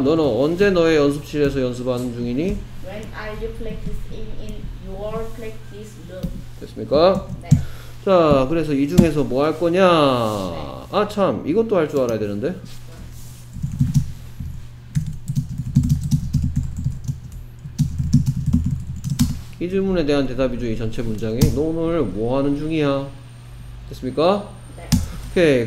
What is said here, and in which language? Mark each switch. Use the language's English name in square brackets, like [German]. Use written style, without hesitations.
[Korean] 너는 언제 너의 연습실에서 연습하는 중이니? [English] When are you practicing in your practice room? [Korean] 됐습니까? 네. 자, 그래서 이 중에서 뭐 할 거냐? 네. 아, 참. 이것도 할 줄 알아야 되는데. 이 질문에 대한 대답이죠. 이 전체 문장이. 너 오늘 뭐 하는 중이야? 됐습니까? 오케이.